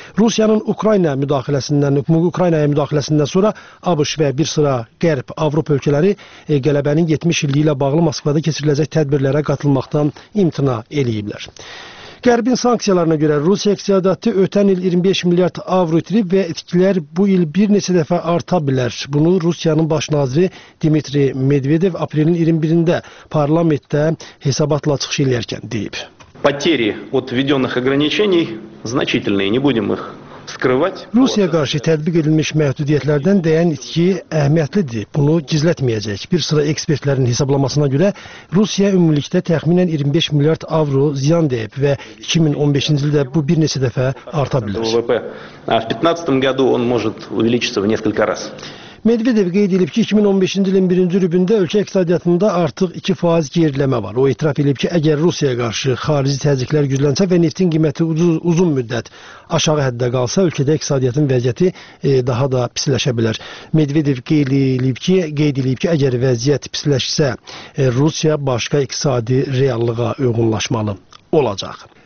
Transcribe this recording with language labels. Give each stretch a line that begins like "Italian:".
Azerbaijani: Rusiyanın Ukraynaya müdaxiləsindən sonra ABŞ və bir sıra Qərb Avropa ölkələri qələbənin 70 illiyi ilə bağlı Moskvada keçiriləcək tədbirlərə qatılmaqdan imtina eləyiblər. Qərbin sanksiyalarına görə Rusiya iqtisadiyyatı ötən il 25 milyard avro itirib və itkilər bu il bir neçə dəfə arta bilər. Bunu Rusiyanın baş naziri Dmitri Medvedev aprelin 21-də parlamentdə hesabatla çıxış edərkən deyib.
Russian: Потери от введённых ограничений значительные, не будем их скрывать.
Azerbaijani: Rusiya qarşı tətbiq edilmiş məhdudiyyətlərdən dəyən itki əhəmiyyətlidir. Bunu gizlətməyəcək. Bir sıra ekspertlərin hesablamasına görə Rusiya ümumilikdə təxminən 25 milyard avro ziyan deyib və 2015-ci ildə bu bir neçə dəfə arta bilər.
Russian: В 15-м году он может увеличиться в несколько раз.
Azerbaijani: Medvedev qeyd edib ki, 2015-ci ilin birinci rübündə ölkə iqtisadiyyatında artıq 2% gerilmə var. O etiraf edib ki, əgər Rusiyaya qarşı xarici təzyiqlər güclənsə və neftin qiyməti uzun müddət aşağı həddə qalsa, ölkədə iqtisadiyyatın vəziyyəti daha da pisləşə bilər. Medvedev qeyd edib ki, əgər vəziyyət pisləşsə, Rusiya başqa iqtisadi reallığa uyğunlaşmalı olacaq.